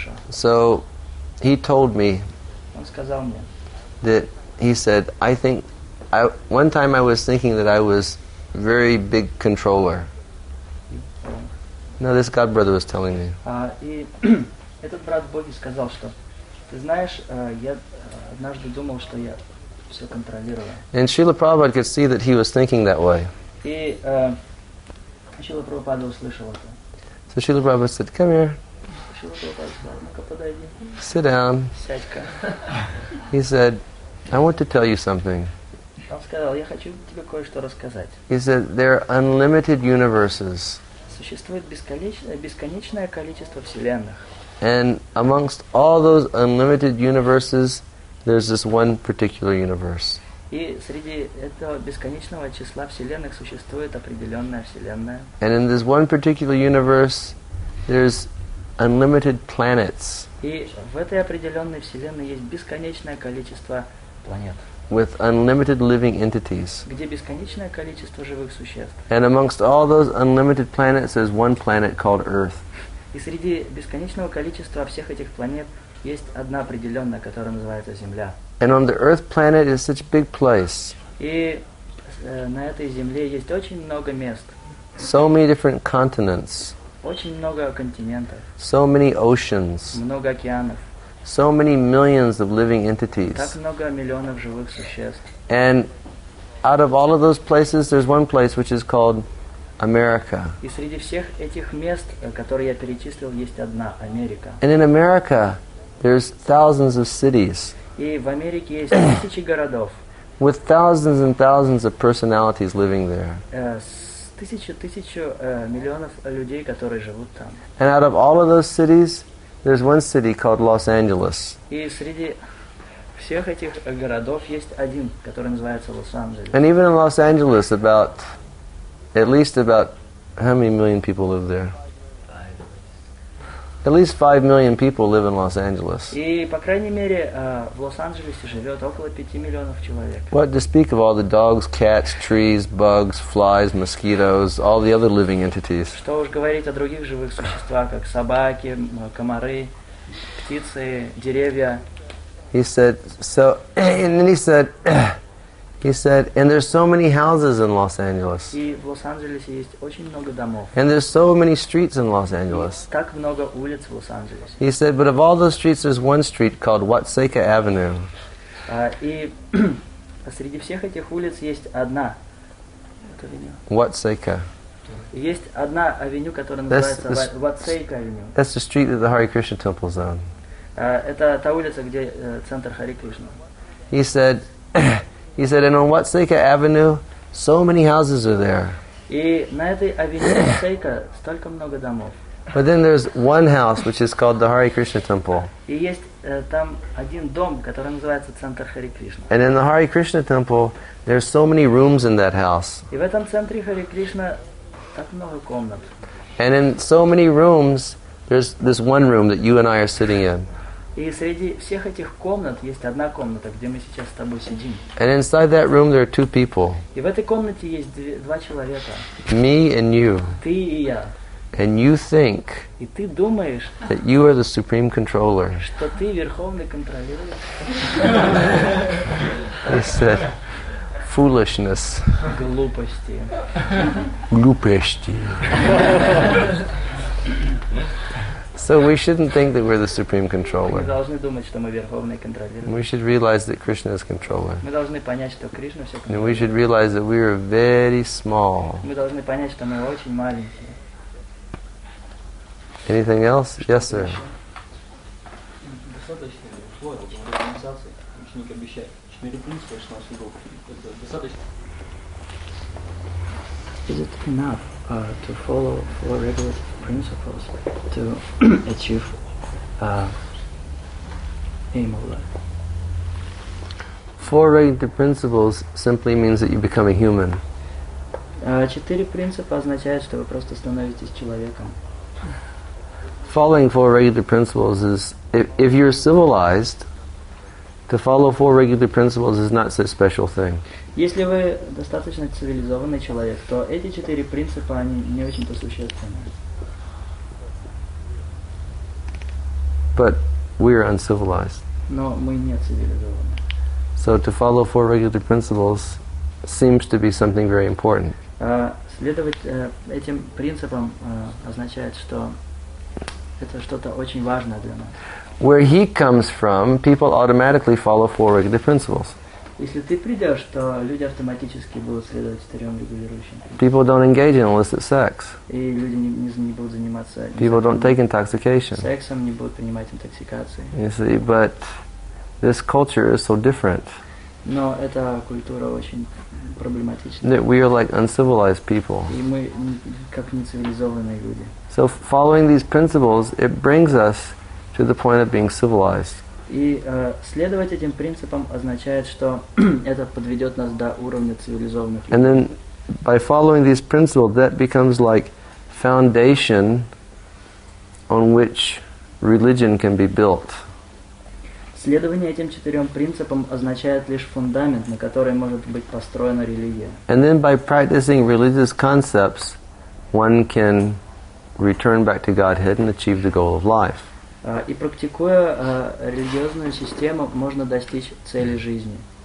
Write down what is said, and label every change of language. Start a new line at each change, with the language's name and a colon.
English: So he told me that he said, one time I was thinking that I was very big controller. No, this God brother was telling me.
Russian: И этот брат Боги сказал, что ты знаешь, я однажды думал, что я все контролировал.
English: And Srila Prabhupada could see that he was thinking that way.
Russian: И Srila Prabhupada услышал это.
English: So Srila Prabhupada said, "Come here."
Russian: Srila Prabhupada сказал, ну-ка подойди.
English: Sit down.
Russian: Сядь-ка.
English: He said, "I want to tell you something."
Russian: Он сказал, я хочу тебе кое-что рассказать.
English: He said, "There are unlimited universes."
Russian: Существует бесконечное количество вселенных.
English: And amongst all those unlimited universes, there's this one particular universe.
Russian: И среди этого бесконечного числа вселенных существует определенная вселенная.
English: And in this one particular universe, there's unlimited planets.
Russian: И в этой определенной вселенной есть бесконечное количество планет.
English: With unlimited living entities.
Russian: Где бесконечное количество живых существ.
English: And amongst all those unlimited planets, there's one planet called Earth.
Russian: И среди бесконечного количества всех этих планет есть одна определенная, которая называется Земля.
English: And on the Earth planet is such a big place.
Russian: И на этой Земле есть очень много мест.
English: So many different continents.
Russian: Очень много континентов.
English: So many oceans.
Russian: Много океанов.
English: So many millions of living entities.
Russian: Так много миллионов живых существ.
English: And out of all of those places, there's one place which is called America.
Russian: И среди всех этих мест, которые я перечислил, есть одна Америка.
English: And in America, there's thousands of cities.
Russian: И в Америке есть тысячи городов.
English: With thousands and thousands of personalities living there.
Russian: Миллионов людей, которые живут там.
English: And out of all of those cities, there's one city called Los Angeles.
Russian: И среди всех этих городов есть один, который называется Лос-Анджелес.
English: And even in Los Angeles, about how many million people live there? At least 5 million people live in Los Angeles.
Russian: И по крайней мере в Лос-Анджелесе живет около 5 миллионов человек.
English: What to speak of all the dogs, cats, trees, bugs, flies, mosquitoes, all the other living entities.
Russian: Что уж говорить о других живых существах, как собаки, комары, птицы, деревья.
English: He said so, and then he said, and there's so many houses in Los Angeles.
Russian: И в Лос-Анджелесе есть очень много домов.
English: And there's so many streets in Los Angeles.
Russian: И так много улиц в Лос-Анджелесе.
English: He said, but of all those streets, there's one street called Watseka Avenue.
Russian: И среди всех этих улиц есть одна.
English: Watseka.
Russian: Есть одна авеню, которая называется Watseka Avenue.
English: That's the street that the Hare Krishna temple is on.
Russian: Это та улица, где центр Хари Кришна.
English: He said. He said, and on Watseka Avenue, so many houses are there.
Russian: И на этой авеню Watseka столько много домов.
English: But then there's one house which is called the Hare Krishna Temple.
Russian: И есть там один дом, который называется центр Хари Кришна.
English: And in the Hare Krishna Temple, there's so many rooms in that house.
Russian: И в этом центре Хари Кришна так много комнат.
English: And in so many rooms, there's this one room that you and I are sitting in.
Russian: И среди всех этих комнат есть одна комната, где мы сейчас с тобой сидим.
English: And inside that room there are two people.
Russian: И в этой комнате есть два человека.
English: Me and you.
Russian: Ты и я.
English: And you think.
Russian: И ты думаешь.
English: That you are the supreme controller.
Russian: Что ты верховный контролируешь.
English: He said, foolishness.
Russian: Глупости. Глупости.
English: So we shouldn't think that we're the supreme controller.
Russian: Мы должны думать, что мы верховный контролируем.
English: We should realize that Krishna is controller.
Russian: Мы должны понять, что Кришна все контролирует.
English: And we should realize that we are very small.
Russian: Мы должны понять, что мы очень маленькие.
English: Anything else? Yes, sir. Is it enough to follow four regular principles to achieve aim of life? Four regular principles simply means that you become a human.
Russian: Четыре принципа означает, что вы просто становитесь человеком.
English: Following four regular principles is, if you're civilized, to follow four regular principles is not such a special thing.
Russian: Если вы достаточно цивилизованный человек, то эти четыре принципа они не очень-то существенны.
English: But we are uncivilized.
Russian: Но мы не цивилизованы.
English: So to follow four regular principles seems to be something very important.
Russian: Следовать этим принципам означает, что это что-то очень важное для нас.
English: Where he comes from, people automatically follow four regular principles.
Russian: Если ты придешь, то люди автоматически будут следовать четырем регулирующим принципам.
English: People don't engage in illicit sex.
Russian: И люди не будут заниматься.
English: People don't take intoxication.
Russian: Сексом, не будут принимать интоксикации.
English: You see, but this culture is so different.
Russian: Но эта культура очень проблематична.
English: That we are like uncivilized people.
Russian: И мы как нецивилизованные люди.
English: So following these principles, it brings us to the point of being civilized.
Russian: И следовать этим принципам означает, что это подведет нас до уровня цивилизованных людей.
English: And then by following these principles, that becomes like foundation on which religion can be built.
Russian: Следование этим четырем принципам означает лишь фундамент, на который может быть построена религия.
English: And then by practicing religious concepts, one can return back to Godhead and achieve the goal of life.
Russian: И практикуя религиозную систему, можно достичь цели жизни.